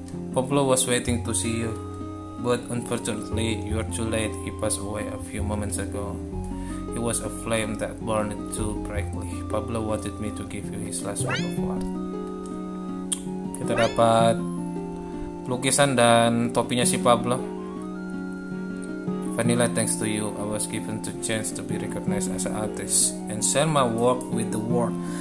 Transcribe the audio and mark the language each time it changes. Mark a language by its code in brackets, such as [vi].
[en] Pablo was waiting to see you, but unfortunately, you are too late. He passed away a few moments ago. He was a flame that burned too brightly. Pablo wanted me to give you his last word of warning. [id] Kita dapat lukisan dan topinya si Pablo. [en] Vanilla, thanks to you, I was given the chance to be recognized as an artist and share my work with the world.